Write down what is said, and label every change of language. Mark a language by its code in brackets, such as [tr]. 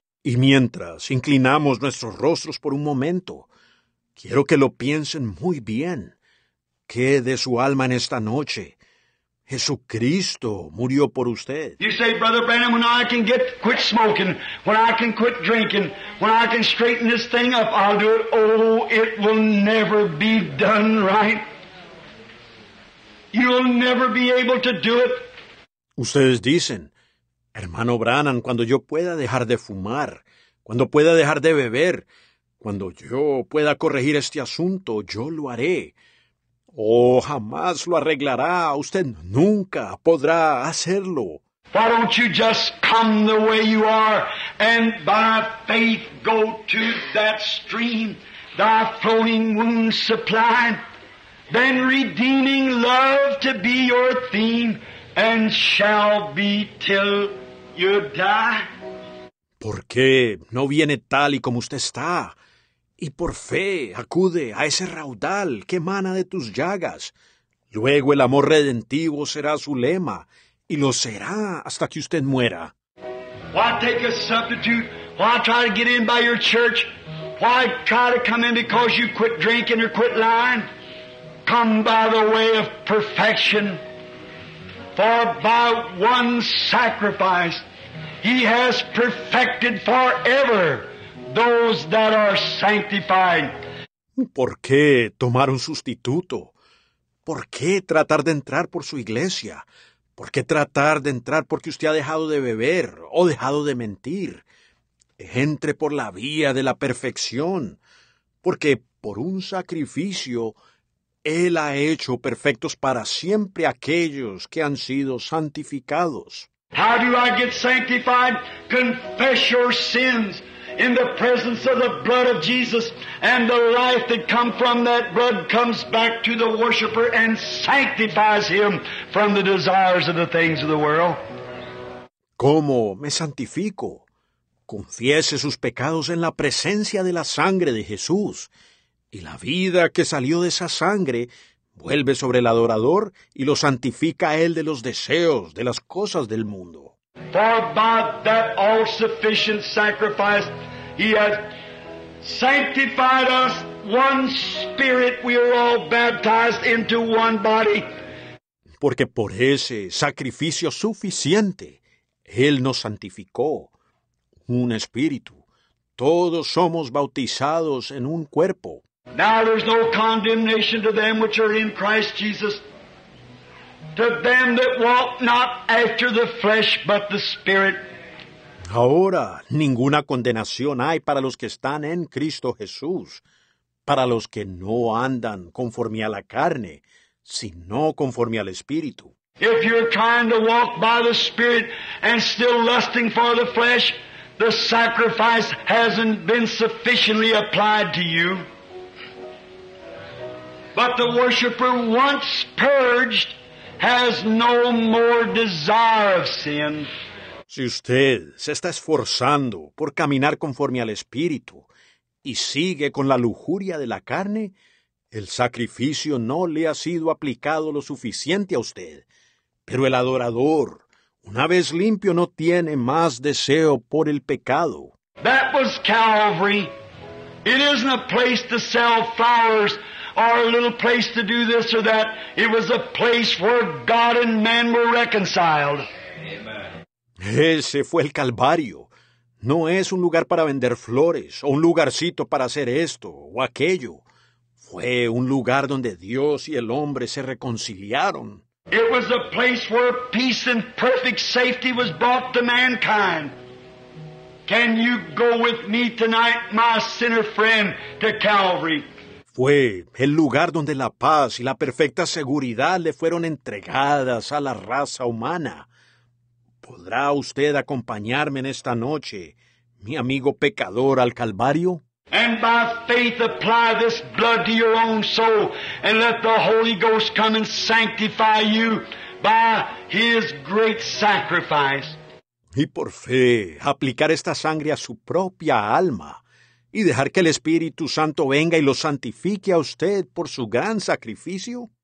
[es] Y mientras inclinamos nuestros rostros por un momento, quiero que lo piensen muy bien. ¿Qué de su alma en esta noche? Jesucristo murió por usted. [en] You say, Brother Branham, when I can get quit smoking, when I can quit drinking, when I can straighten this thing up, I'll do it. Oh, it will never be done right. You'll never be able to do it. [es] Ustedes dicen, hermano Branham, cuando yo pueda dejar de fumar, cuando pueda dejar de beber, cuando yo pueda corregir este asunto, yo lo haré. Oh, jamás lo arreglará. Usted nunca podrá hacerlo. [en] Why don't you just come the way you are and by faith go to that stream, thy flowing wound supply, then redeeming love to be your theme and shall be till you die? [es] ¿Por qué no viene tal y como usted está? Y por fe acude a ese raudal que emana de tus llagas. Luego el amor redentivo será su lema y lo será hasta que usted muera. [en] Why take a substitute? Why try to get in by your church? Why try to come in because you quit drinking or quit lying? Come by the way of perfection. For by one sacrifice he has perfected forever those that are sanctified. [es] ¿Por qué tomar un sustituto? ¿Por qué tratar de entrar por su iglesia? ¿Por qué tratar de entrar porque usted ha dejado de beber o dejado de mentir? Entre por la vía de la perfección, porque por un sacrificio, Él ha hecho perfectos para siempre aquellos que han sido santificados. [en] How do I get sanctified? Confess your sins in the presence of the blood of Jesus, and the life that comes from that blood comes back to the worshiper and sanctifies him from the desires of the things of the world. [es] ¿Cómo me santifico? Confiese sus pecados en la presencia de la sangre de Jesús, y la vida que salió de esa sangre vuelve sobre el adorador y lo santifica a él de los deseos de las cosas del mundo. [en] For by that all-sufficient sacrifice he has sanctified us, one spirit we are all baptized into one body. [es] Porque por ese sacrificio suficiente, Él nos santificó, un espíritu. Todos somos bautizados en un cuerpo. [en] Now there's no condemnation to them which are in Christ Jesus. To them that walk not after the flesh, but the Spirit. [es] Ahora, ninguna condenación hay para los que están en Cristo Jesús, para los que no andan conforme a la carne, sino conforme al Espíritu. [en] If you're trying to walk by the Spirit and still lusting for the flesh, the sacrifice hasn't been sufficiently applied to you. But the worshiper, once purged, has no more desire of sin. [es] Si usted se está esforzando por caminar conforme al Espíritu y sigue con la lujuria de la carne, el sacrificio no le ha sido aplicado lo suficiente a usted. Pero el adorador, una vez limpio, no tiene más deseo por el pecado. [en] That was Calvary. It isn't a place to sell flowers or a little place to do this or that. It was a place where God and man were reconciled. Amen. [es] Ese fue el Calvario. No es un lugar para vender flores o un lugarcito para hacer esto o aquello. Fue un lugar donde Dios y el hombre se reconciliaron. [en] It was a place where peace and perfect safety was brought to mankind. Can you go with me tonight, my sinner friend, to Calvary? [es] Fue el lugar donde la paz y la perfecta seguridad le fueron entregadas a la raza humana. ¿Podrá usted acompañarme en esta noche, mi amigo pecador, al Calvario? [en] And by faith apply this blood to your own soul and let the Holy Ghost come and sanctify you by His great sacrifice. [es] Y por fe, aplicar esta sangre a su propia alma y dejar que el Espíritu Santo venga y lo santifique a usted por su gran sacrificio.